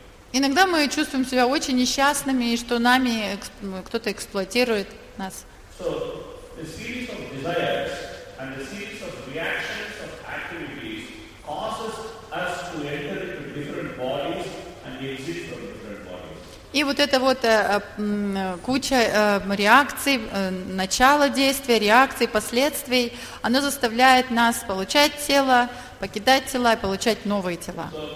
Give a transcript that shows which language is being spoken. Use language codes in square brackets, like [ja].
[ru] Иногда мы чувствуем себя очень несчастными, и что нами кто-то эксплуатирует нас. [en] So, the series of desires and the series of reactions of activities causes us to enter into different bodies and exist from different bodies. [ru] И вот эта вот куча реакций, начало действия, реакций, последствий, оно заставляет нас получать тело, покидать тела и получать новые тела.